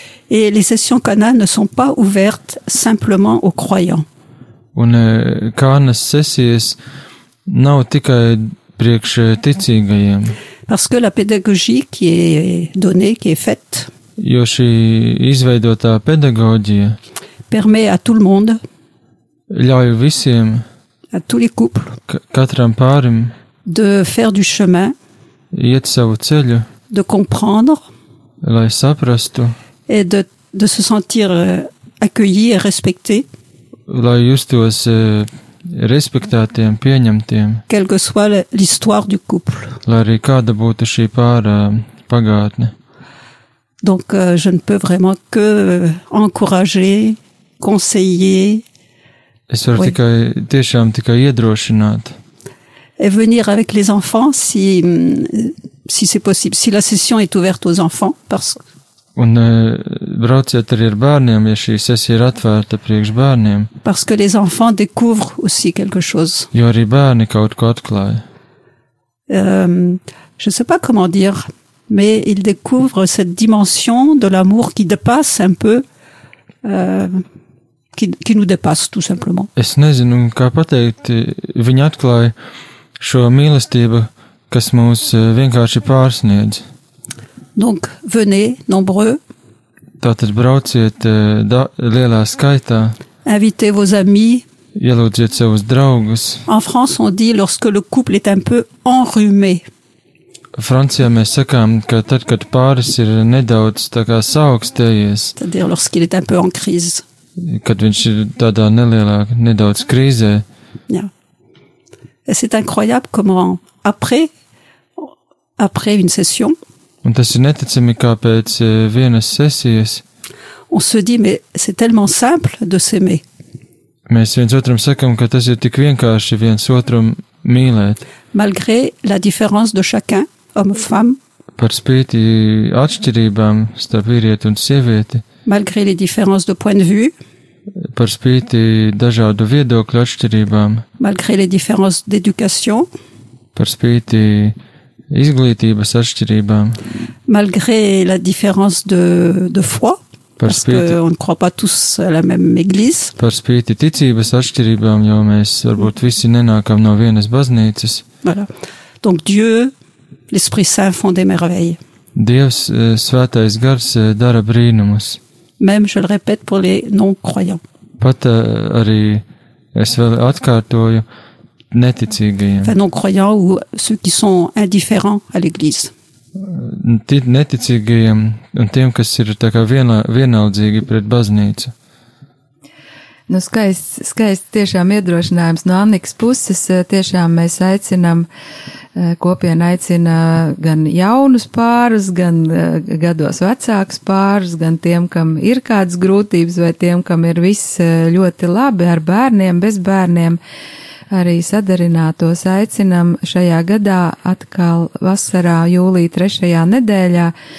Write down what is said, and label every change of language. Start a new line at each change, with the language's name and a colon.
French: Et les sessions Cana ne sont pas ouvertes simplement aux croyants.
Latvian: Un Kanas sesijas nav tikai priekš ticīgajiem.
French: Parce que la pédagogie qui est donnée, qui est faite,
Latvian: jo šī izveidotā pedagoģija
French: permet à tout le monde,
Latvian: ļauj visiem,
French: à tous les couples,
Latvian: katram pārim,
French: de faire du chemin,
Latvian: iet savu ceļu,
French: de comprendre,
Latvian: lai saprastu,
French: et de se sentir accueilli et respecté,
Latvian: lai justos respektētiem, pieņemtiem,
French: quelle que soit l'histoire du couple,
Latvian: lai arī kāda būtu šī pāra pagātne.
French: Donc je ne peux vraiment que encourager, conseiller.
Latvian: Es varu tikai iedrošināt.
French: Et venir avec les enfants si c'est possible, si la session est ouverte aux enfants parce que.
Latvian: Un brauciet arī ar bērniem, ja šī sesija ir atvērta priekš bērniem.
French: Parce que les enfants découvrent aussi quelque chose.
Latvian: Jo arī bērni kaut ko atklāja.
French: Je sais pas comment dire. Mais il découvre cette dimension de l'amour qui dépasse un peu, qui nous dépasse tout simplement.
Latvian: Es nezinu, kā pateikt, viņi atklāja šo mīlestību, kas mūs vienkārši pārsniedz.
French: Donc, venez, nombreux.
Latvian: Tātad brauciet lielā skaitā.
French: Invitez vos amis.
Latvian: Ielūdziet savus draugus.
French: En France, on dit, lorsque le couple est un peu enrhumé.
Latvian: Francijā mēs sakām, ka tad, kad pāris ir nedaudz tā kā saaukstējies,
French: lorsqu'il est un peu en crise.
Latvian: Kad viņš ir tādā nelielā, nedaudz krīzē. Jā.
French: Et c'est incroyable comment après une session.
Latvian: Un tas ir neticami, kā pēc vienas sesijas.
French: On se dit, mais c'est tellement simple de s'aimer.
Latvian: Mēs viens otram sakām, ka tas ir tik vienkārši viens otram mīlēt.
French: Malgré la différence de chacun, homme, femme.
Latvian: Par spīti atšķirībām starp vīrieti un sievieti.
French: Malgré les différences de point de vue.
Latvian: Par spīti dažādu viedokļu atšķirībām.
French: Malgré les différences d'éducation.
Latvian: Par spīti izglītības atšķirībām.
French: Malgré la différence de foi.
Latvian: Par spīti,
French: parce qu'on ne croit pas tous à la même église.
Latvian: Par spīti ticības atšķirībām, jo mēs varbūt visi nenākam no vienas baznīcas.
French: Voilà. Donc Dieu, l'Esprit Saint font des merveilles.
Latvian: Dievs, svētais gars dara brīnumus.
French: Même je le répète pour les non-croyants.
Latvian: Pat arī es vēl atkārtoju neticīgajiem.
French: Enfin, non-croyants ou ceux qui sont indifférents à l'église.
Latvian: Neticīgajiem un tiem, kas ir tā kā vienaldzīgi pret baznīcu. Nu, skaists, skaists tiešām iedrošinājums no Annikas puses, tiešām mēs aicinām, kopiena aicina gan jaunus pārus, gan gados vecākus pārus, gan tiem, kam ir kādas grūtības, vai tiem, kam ir viss ļoti labi ar bērniem, bez bērniem, arī sadarinātos aicinām šajā gadā atkal vasarā jūlī trešajā nedēļā.